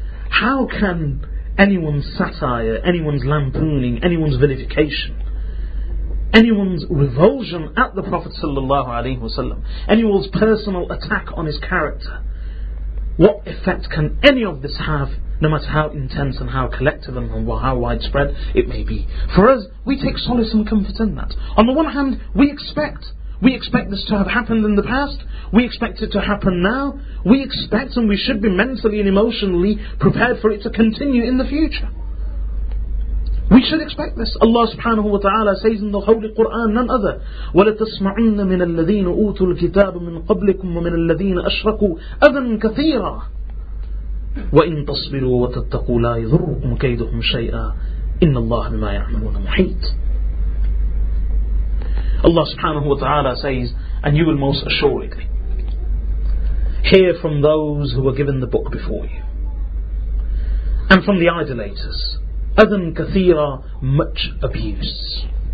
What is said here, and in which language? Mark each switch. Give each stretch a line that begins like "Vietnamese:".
English: How can anyone's satire, anyone's lampooning, anyone's vilification, anyone's revulsion at the Prophet sallallahu alaihi wasallam, anyone's personal attack on his character, what effect can any of this have, no matter how intense and how collective and how widespread it may be? For us, we take solace and comfort in that. On the one hand, we expect this to have happened in the past, we expect it to happen now, we expect and we should be mentally and emotionally prepared for it to continue in the future. We should expect this. Allah subhanahu wa ta'ala says in the Holy Quran, none other,
Arabic: وَلَتَسْمَعِنَّ مِنَ الَّذِينَ أُوتُوا الْكِتَابَ مِنْ قَبْلِكُمْ وَمِنَ الَّذِينَ أَشْرَكُوا أَذًا كَثِيرًا وَإِنْ تَصْبِرُوا وَتَتَّقُوا لَا يَضُرُّكُمْ كَيْدُهُمْ شَيْئًا إِنَّ اللَّهَ بِمَا يَعْمَلُونَ مُحِيطٌ.
English: Allah subhanahu wa ta'ala says, and you will most assuredly hear from those who were given the book before you, and from the idolaters,
Arabic: أَذًا كَثِيرًا,
English: much abuse.